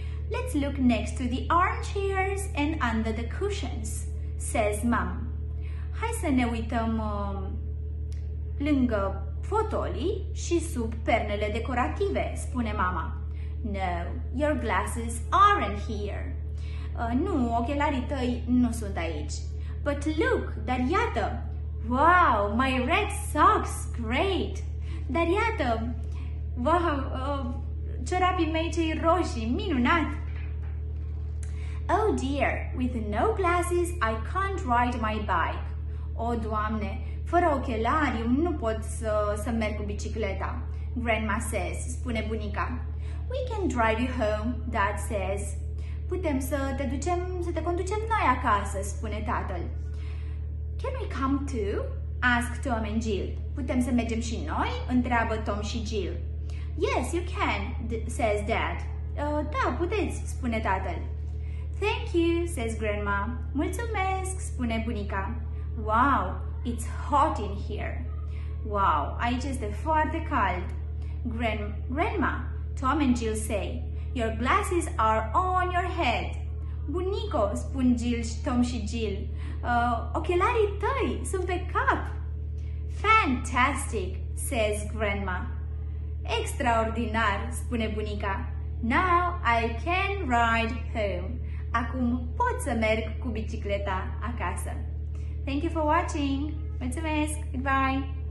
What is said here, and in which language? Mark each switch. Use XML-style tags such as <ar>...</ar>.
<en>Let's look next to the armchairs and under the cushions, says Mom.</en> <ro>Hai să ne uităm lângă fotolii și sub pernele decorative, spune mama.</ro> <en>No, your glasses aren't here.</en> <ro>Nu, ochelarii tăi nu sunt aici.</ro> <en>But look,</en> <ro>dar iată!</ro> <en>Wow, my red socks, great!</en> <ro>Dar iată, wow, ciorapii mei cei roșii, minunat!</ro> <en>Oh dear, with no glasses, I can't ride my bike.</en> <ro>Oh, Doamne, fără ochelari, nu pot să merg cu bicicleta.</ro> <en>Grandma says,</en> <ro>spune bunica.</ro> <en>We can drive you home, Dad says.</en> <ro>Putem să te ducem, să te conducem noi acasă, spune tatăl.</ro> <en>Can we come too? Ask Tom and Jill.</en> <ro>Putem să mergem și noi? Întreabă Tom și Jill.</ro> <en>Yes, you can, says Dad.</en> <ro>Da, puteți, spune tatăl.</ro> <en>Thank you, says Grandma.</en> <ro>Mulțumesc, spune bunica.</ro> <en>Wow, it's hot in here.</en> <ro>Wow, aici este foarte cald.</ro> <en>Grandma, Tom and Jill say, your glasses are on your head.</en> <ro>Bunico, spun Jill, Tom și Jill, ochelarii tăi sunt pe cap.</ro> <en>Fantastic, says grandma.</en> <ro>Extraordinar, spune bunica.</ro> <en>Now I can ride home.</en> <ro>Acum pot să merg cu bicicleta acasă.</ro> <en>Thank you for watching. Mulțumesc. Goodbye.</en>